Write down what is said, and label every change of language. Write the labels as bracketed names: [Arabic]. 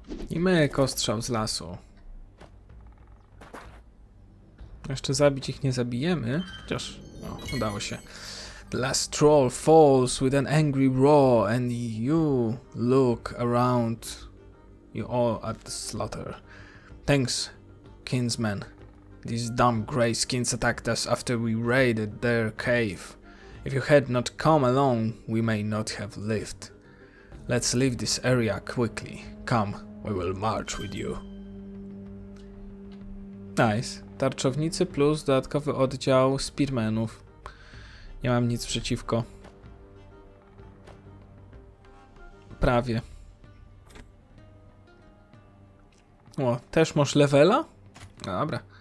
[Polish] I myk ostrzał z lasu. Jeszcze zabić ich nie zabijemy, chociaż... O, udało się. [English] The last troll falls with an angry roar and you look around you all at the slaughter. Thanks, kinsmen. These dumb gray skins attacked us after we raided their cave. If you had not come along, we may not have lived. Let's leave this area quickly. Come, we will march with you. Nice. [Polish] Tarczownicy plus dodatkowy oddział Spearmanów. Nie mam nic przeciwko. Prawie. O, też masz levela? Dobra.